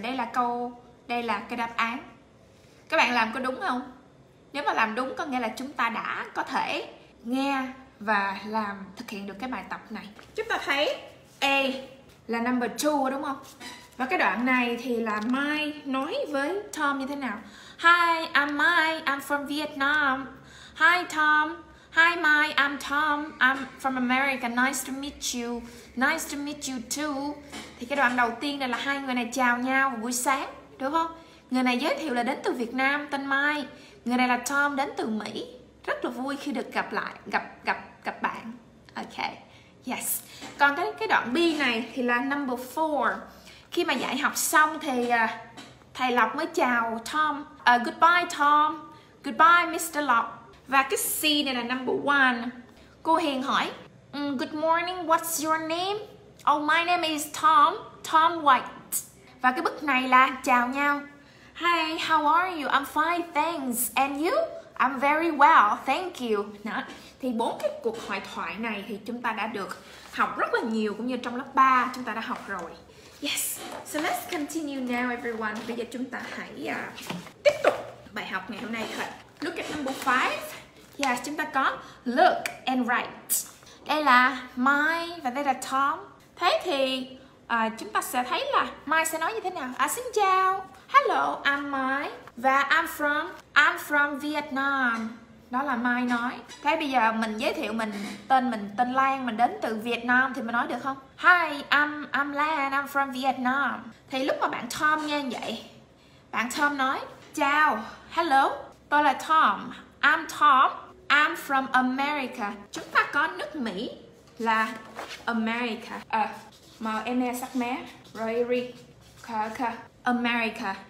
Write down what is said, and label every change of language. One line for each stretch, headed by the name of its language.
Vietnamese: Đây là câu, đây là cái đáp án. Các bạn làm có đúng không? Nếu mà làm đúng có nghĩa là chúng ta đã có thể nghe và làm thực hiện được cái bài tập này. Chúng ta thấy A là number 2 đúng không? Và cái đoạn này thì là Mai nói với Tom như thế nào?
English: Hi, I'm Mai, I'm from Vietnam. Hi, Tom. Hi, Mai, I'm Tom. I'm from America. Nice to meet you. Nice to meet you too.
Vietnamese: Thì cái đoạn đầu tiên này là hai người này chào nhau buổi sáng, đúng không? Người này giới thiệu là đến từ Việt Nam, tên Mai. Người này là Tom, đến từ Mỹ. Rất là vui khi được gặp lại, gặp bạn.
English: Ok, yes.
Vietnamese: Còn cái đoạn B này thì là number 4. Khi mà dạy học xong thì thầy Lộc mới chào Tom.
English: Goodbye Tom, goodbye Mr. Lộc.
Vietnamese: Và cái C này là number 1. Cô Hiền hỏi,
English: good morning, what's your name? Oh, my name is Tom, Tom White.
Vietnamese: Và cái bức này là chào nhau.
English: Hey, how are you? I'm fine, thanks. And you? I'm very well, thank you.
Vietnamese: Đó. Thì bốn cái cuộc hội thoại này thì chúng ta đã được học rất là nhiều, cũng như trong lớp 3 chúng ta đã học rồi.
English: Yes, so let's continue now everyone.
Vietnamese: Bây giờ chúng ta hãy tiếp tục bài học ngày hôm nay thôi.
English: Look at number 5.
Vietnamese: Yes, chúng ta có look and write. Đây là Mai và đây là Tom. Thế thì chúng ta sẽ thấy là Mai sẽ nói như thế nào? À, xin chào.
English: Hello, I'm Mai. Và I'm from Vietnam.
Vietnamese: Đó là Mai nói. Thế bây giờ mình giới thiệu mình, tên Lan, mình đến từ Việt Nam thì mình nói được không?
English: Hi, I'm Lan, I'm from Vietnam.
Vietnamese: Thì lúc mà bạn Tom nghe vậy, bạn Tom nói, chào, hello, tôi là Tom.
English: I'm Tom, I'm from America.
Vietnamese: Chúng ta có nước Mỹ là America. M-E sắc mé, R-E-R-E, K-K, America.